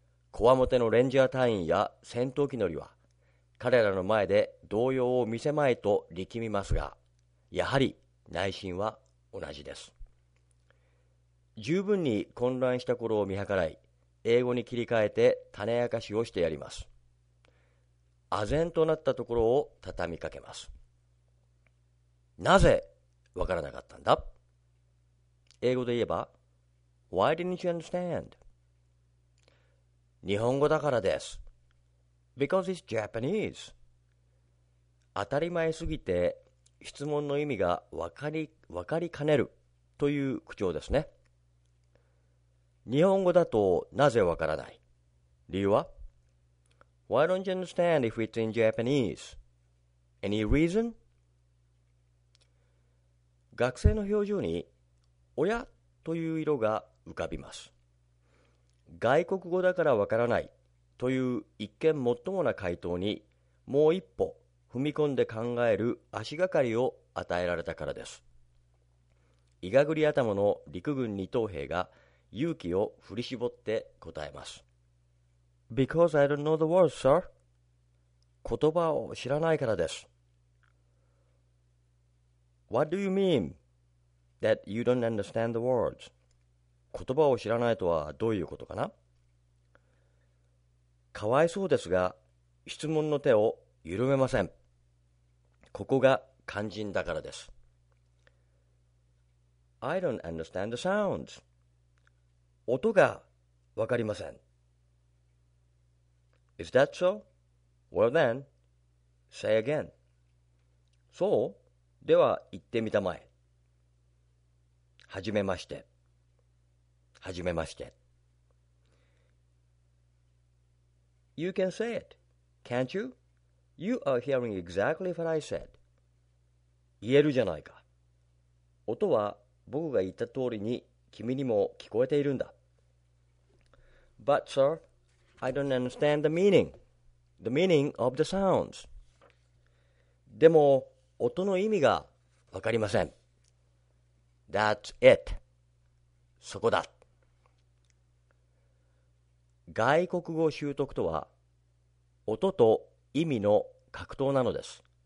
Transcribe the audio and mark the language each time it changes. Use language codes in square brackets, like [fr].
[ja] こわもてのレンジャー隊員や戦闘機乗りは彼らの前で動揺を見せまいと力みますが、やはり内心は同じです。十分に混乱した頃を見計らい、英語に切り替えて種明かしをしてやります。唖然となったところを畳みかけます。なぜわからなかったんだ。英語で言えば [en] Why didn't you understand? [ja] 日本語だからです。 [en] Because it's Japanese。 [ja] 当たり前すぎて質問の意味が分かりかねるという口調ですね。日本語だとなぜわからない。理由は？ [en] Why don't you understand if it's in Japanese? Any reason? [ja] 学生の表情に親という色が浮かびます。外国語だからわからないという一見もっともな回答に、もう一歩踏み込んで考える足がかりを与えられたからです。いがぐり頭の陸軍二等兵が勇気を振り絞って答えます。 [en] Because I don't know the word, sir。 [ja] 言葉を知らないからです。 [en] What do you mean that you don't understand the words? [ja] 言葉を知らないとはどういうことかな。かわいそうですが、質問の手を緩めません。ここが肝心だからです。 [en] I don't understand the sounds。 [ja] 音がわかりません。 [en] Is that so? Well then, say again。 [ja] そう？では言ってみたまえ。はじめまして。 [en] You can say it, can't you? You are hearing exactly what I said。 [ja] 言えるじゃないか。音は僕が言った通りに君にも聞こえているんだ。 [en] But sir, I don't understand the meaning of the sounds。 [ja] でも音の意味がわかりません。 [en] That's it。 [ja] そこだ。外国語習得とは、音と意味の格闘なのです。